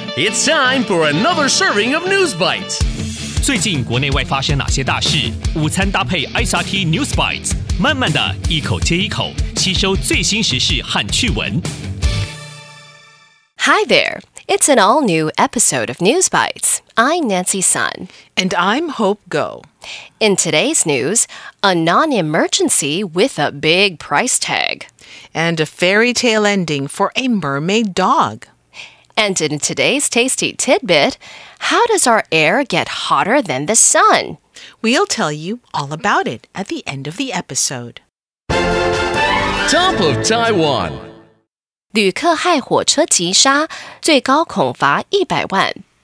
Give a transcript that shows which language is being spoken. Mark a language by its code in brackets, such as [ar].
[en] It's time for another serving of News Bites. [zh] 最近国内外发生哪些大事？午餐搭配 SRT News Bites， 慢慢的一口接一口，吸收最新时事和趣闻。 [en] Hi there, it's an all-new episode of News Bites. I'm Nancy Sun. And I'm Hope Go. In today's news, a non-emergency with a big price tag. And a fairy tale ending for a mermaid dog. And in today's tasty tidbit, how does our air get hotter than the sun? We'll tell you all about it at the end of the episode. Top of Taiwan. [zh] 旅客害火车急刹，最高恐罚100万。